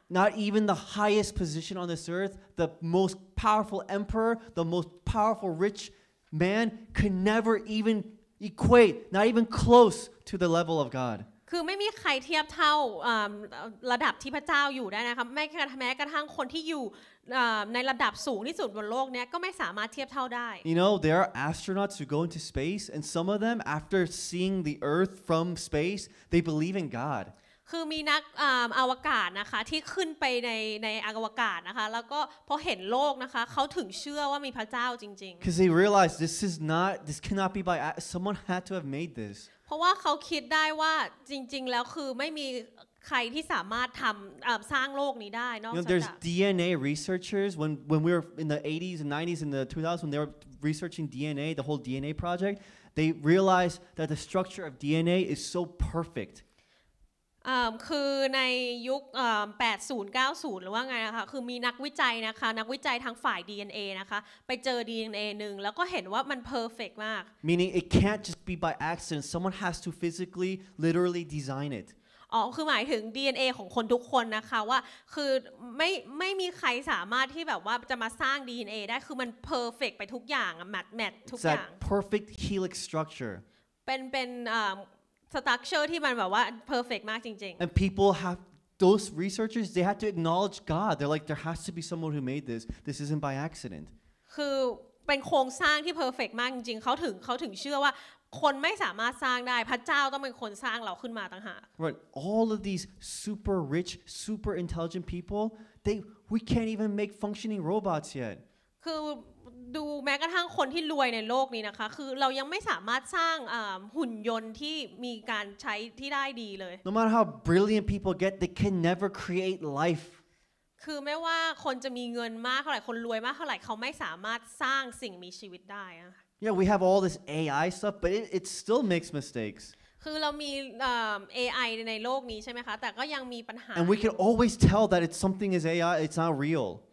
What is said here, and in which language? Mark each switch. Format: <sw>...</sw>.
<en>Not even the highest position on this earth the most powerful emperor the most powerful rich man could never even equate not even close to the level of God</en> <th>คือไม่มีใครเทียบเท่าระดับที่พระเจ้าอยู่ได้นะคะแม้กระทั่งคนที่อยู่ในระดับสูงที่สุดบนโลกเนี่ยก็ไม่สามารถเทียบเท่าได้</th> <en>You know there are astronauts who go into space and some of them after seeing the earth from space they believe in God</en> <th>คือมีนักอวกาศนะคะที่ขึ้นไปในอวกาศนะคะแล้วก็พอเห็นโลกนะคะเขาถึงเชื่อว่ามีพระเจ้าจริง</th> <en>ๆ Cuz they realize this cannot be by someone had to have made this</en> <th>เพราะว่าเขาคิดได้ว่าจริงๆแล้วคือไม่มีใครที่สามารถทำสร้างโลกนี้ได้นอกจาก</th> <en>You know, there's DNA researchers when we were in the 80s and 90s and the 2000s when they were researching DNA the whole DNA project they realized that the structure of DNA is so perfect</en> <th>คือในยุค80 90หรือว่าไงนะคะคือมีนักวิจัยนะคะนักวิจัยทางฝ่าย DNA นะคะไปเจอ DNA นึงแล้วก็เห็นว่ามันเพอร์เฟคมาก</th> <en>meaning it can't just be by accident someone has to physically literally design it</en> <th>คือหมายถึง DNA ของคนทุกคนนะคะว่าคือไม่มีใครสามารถที่แบบว่าจะมาสร้าง DNA ได้คือมันเพอร์เฟคไปทุกอย่างแมทแมททุกอย่าง</th> <en>it's a perfect helix structure</en> <th>เป็นสตรัคเจอร์ที่มันแบบว่าเพอร์เฟคมากจริง</th> <en>ๆ and people have those researchers they had to acknowledge God they're like there has to be someone who made this isn't by accident</en> <th>คือเป็นโครงสร้างที่เพอร์เฟคมากจริงๆเขาถึงเชื่อว่าคนไม่สามารถสร้างได้พระเจ้าต้องเป็นคนสร้างเราขึ้นมาต่างหาก</th> <en>right all of these super rich super intelligent people we can't even make functioning robots yet</en> <th>คือดูแม้กระทั่งคนที่รวยในโลกนี้นะคะคือเรายังไม่สามารถสร้างหุ่นยนต์ที่มีการใช้ที่ได้ดีเลย</th> <en>No matter how brilliant people get they can never create life</en> <th>คือไม่ว่าคนจะมีเงินมากเท่าไหร่คนรวยมากเท่าไหร่เขาไม่สามารถสร้างสิ่งมีชีวิตได้อะ</th> <en>Yeah we have all this AI stuff but it still makes mistakes</en> <th>คือเรามี AI ในโลกนี้ใช่มั้ยคะแต่ก็ยังมีปัญหา</th> <en>And we can always tell that it's something is AI it's not real</en>